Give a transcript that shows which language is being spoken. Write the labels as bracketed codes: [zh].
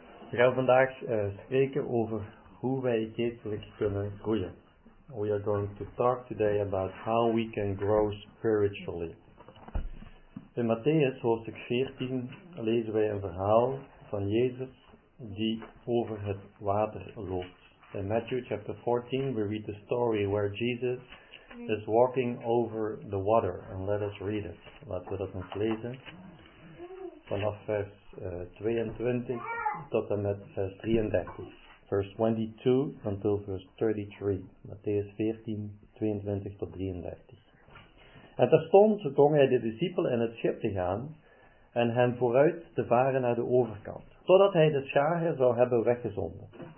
[nl] Ik ga vandaag spreken over hoe wij geestelijk kunnen groeien. [en] We are going to talk today about how we can grow spiritually. [nl] In Matthäus hoofdstuk 14 lezen wij een verhaal van Jezus die over het water loopt. [en] In Matthew chapter 14 we read the story where Jesus is walking over the water. And let us read it. [nl] Laten we dat eens lezen. Vanaf vers 22 tot en met vers 33. [en] Verse 22 until verse 33. [nl] Matthäus 14, 22 tot 33. En terstond dwong hij de discipelen in het schip te gaan en hen vooruit te varen naar de overkant, totdat hij de scharen zou hebben weggezonden.